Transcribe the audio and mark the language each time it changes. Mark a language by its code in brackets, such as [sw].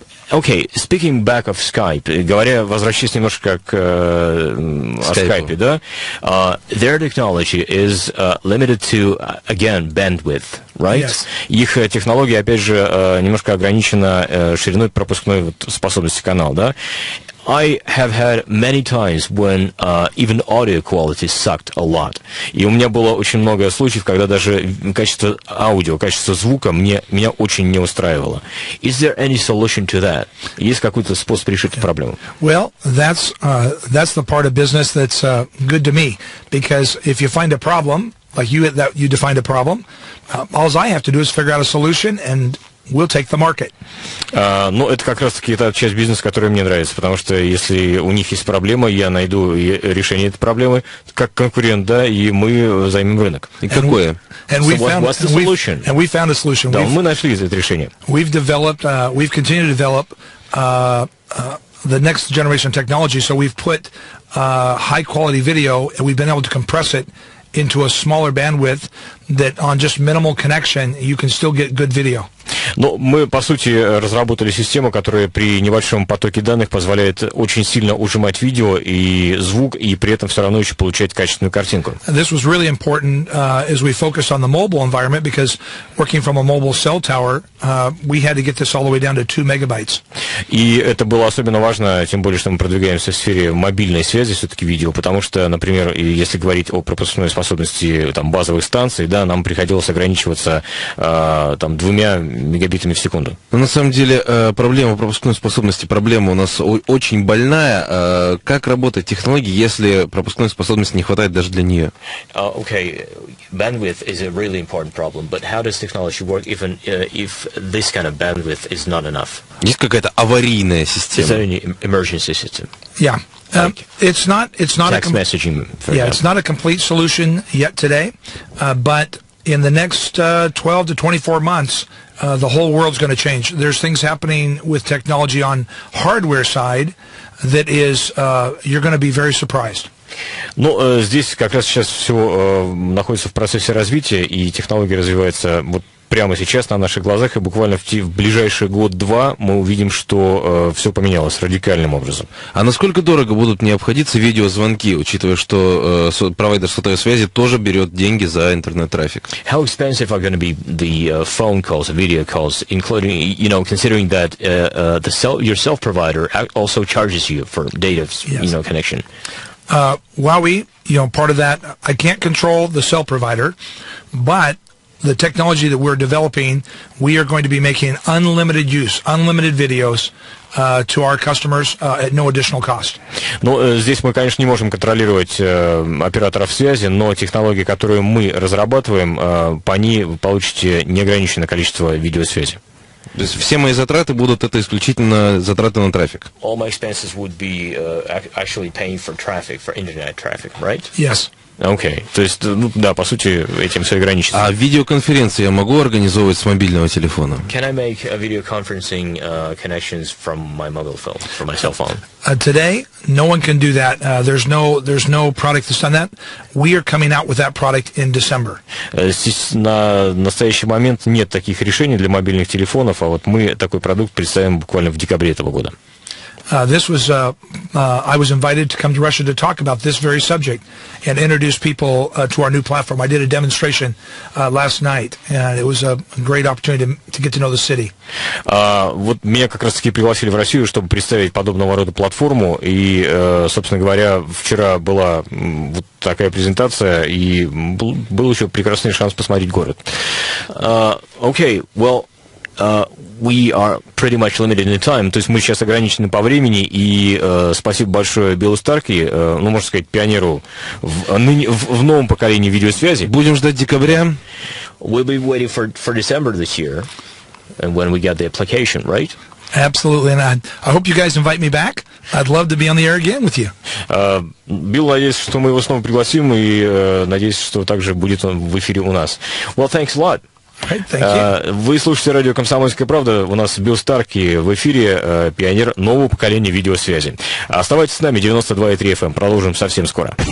[en] Okay, speaking back of Skype, [ru] говоря, возвращаясь немножко к Skype, да? [en] Their technology is limited to, again, bandwidth, right? Yes. [ru] Их технология, опять же, немножко ограничена шириной пропускной способности канала, да? [en] I have had many times when even audio quality sucked a lot. [ru] И у меня было очень много случаев, когда даже качество аудио, качество звука меня очень не устраивало. [en] Is there any solution to that? [ru] Есть какой-то способ решить эту проблему? [en] Well, that's the part of business that's good to me, because if you find a problem, like you defined a problem, all I have to do is figure out a solution and we'll take the market. [ru] Ну, это как раз-таки та часть бизнеса, которая мне нравится, потому что если у них есть проблема, я найду решение этой проблемы, как конкурент, да, и мы займем рынок. И какое? [en] And we found a solution. [ru] Да, мы нашли это решение. [en] We've developed, we've continued to develop the next generation technology, so we've put high-quality video, and we've been able to compress it into a smaller bandwidth that on just minimal connection you can still get good video. [ru] Но мы, по сути, разработали систему, которая при небольшом потоке данных позволяет очень сильно ужимать видео и звук, и при этом все равно еще получать качественную картинку. [en] This was really important as we focused on the mobile environment, because working from a mobile cell tower, we had to get this all the way down to 2 megabytes. [ru] И это было особенно важно, тем более, что мы продвигаемся в сфере мобильной связи, все-таки видео, потому что, например, если говорить о пропускной способности там, базовых станций, да, нам приходилось ограничиваться там, 2 мегабитами в секунду. На самом деле, проблема пропускной способности, проблема у нас очень больная. Как работает технология, если пропускной способности не хватает даже для нее? [en] Okay, bandwidth is a really important problem, but how does technology work even if this kind of bandwidth is not enough? [ru] Есть какая-то аварийная система? [en] Is there any emergency system? Yeah. It's not text messaging, for example. Yeah, it's not a complete solution yet today, but in the next 12 to 24 months, the whole world's going to change. There's things happening with technology on hardware side that is, you're going to be very surprised. [ru] Ну, здесь как раз сейчас все находится в процессе развития, и технология развивается вот прямо сейчас на наших глазах, и буквально в ближайший год-два мы увидим, что все поменялось радикальным образом. А насколько дорого будут мне обходиться видеозвонки, учитывая, что провайдер сотовой связи тоже берет деньги за интернет-трафик? [en] How expensive are going to be the phone calls, video calls, including, you know, considering that your cell provider also charges you for data, you know, connection? Huawei, you know, part of that, I can't control the cell provider, but the technology that we're developing, we are going to be making unlimited use, unlimited videos to our customers at no additional cost. [ru] Ну, здесь мы, конечно, не можем контролировать операторов связи, но технологии, которые мы разрабатываем, по ней вы получите неограниченное количество видеосвязи. То есть все мои затраты будут это исключительно затраты на трафик. [en] All my expenses would be actually paying for traffic, for internet traffic, right? Yes. [ru] Окей. То есть, ну да, по сути, этим все ограничится. А видеоконференции я могу организовывать с мобильного телефона? [en] Can I make a video conferencing connections from my mobile phone, from my cell phone? Today, no one can do that. There's no product that's done that. We are coming out with that product in December. [ru] Здесь на настоящий момент нет таких решений для мобильных телефонов, а вот мы такой продукт представим буквально в декабре этого года. [en] I was invited to come to Russia to talk about this very subject and introduce people to our new platform. I did a demonstration last night, and it was a great opportunity to get to know the city. [ru] Вот меня как раз-таки пригласили в Россию, чтобы представить подобного рода платформу, и, собственно говоря, вчера была вот такая презентация, и был еще прекрасный шанс посмотреть город. [en] Okay, well. We are pretty much limited in time. [ru] То есть мы сейчас ограничены по времени, и спасибо большое Биллу Старки, ну, можно сказать, пионеру в новом поколении видеосвязи. Будем ждать декабря. [en] We'll be waiting for December this year, and when we get the application, right? Absolutely, and I hope you guys invite me back. I'd love to be on the air again with you. [ru] Билл, надеюсь, что мы его снова пригласим, и надеюсь, что также будет он в эфире у нас. [en] Well, thanks a lot. [ru] Вы слушаете радио «Комсомольская правда». У нас Билл Старки в эфире, пионер нового поколения видеосвязи. Оставайтесь с нами, 92.3 FM. Продолжим совсем скоро.